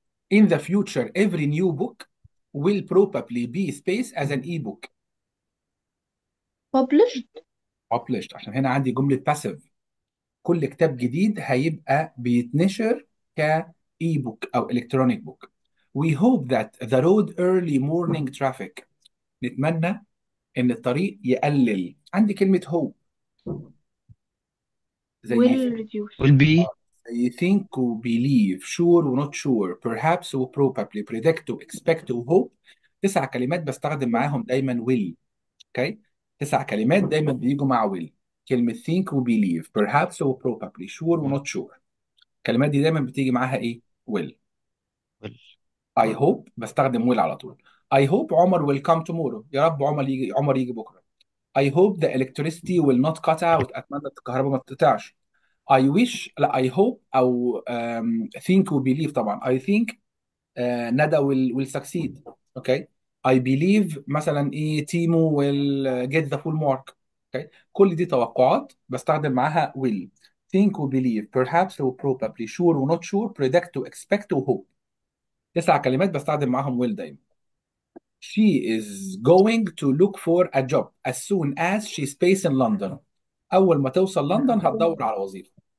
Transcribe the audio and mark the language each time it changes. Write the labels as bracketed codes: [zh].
[en] In the future, every new book will probably be spaced as an e-book. published. Published. [ar] عشان هنا عندي جملة passive. كل كتاب جديد هيبقى بيتنشر ك e-book أو electronic book. [en] We hope that the road early morning traffic. [ar] نتمنى إن الطريق يقلل. عندي كلمة hope. [en] will reduce will be I think و believe, sure و not sure, perhaps و probably, predict و expect و hope. [ar] 9 كلمات بستخدم معاهم دايما will. [en] Okay. [ar] 9 كلمات دايما بيجوا مع will. [en] كلمة think و believe, perhaps و probably, sure و not sure. [ar] الكلمات دي دايما بتيجي معاها ايه؟ will. [en] I hope [ar] بستخدم will على طول. [en] I hope Omar will come tomorrow. [ar] يا رب عمر يجي بكره. [en] I hope the electricity will not cut out. [ar] اتمنى الكهرباء ما تقطعش. I wish لا I hope او think و believe طبعا. [en] I think Nada will succeed. Okay. I believe [ar] مثلا ايه [en] Timo will get the full mark. Okay. [ar] كل دي توقعات بستخدم معاها will. [en] Think و believe, perhaps و probably, sure و not sure, predict و expect و hope. [ar] 9 كلمات بستخدم معاهم will دايما. [en] She is going to look for a job as soon as she stays in London. [ar] أول ما توصل لندن هتدور على وظيفة.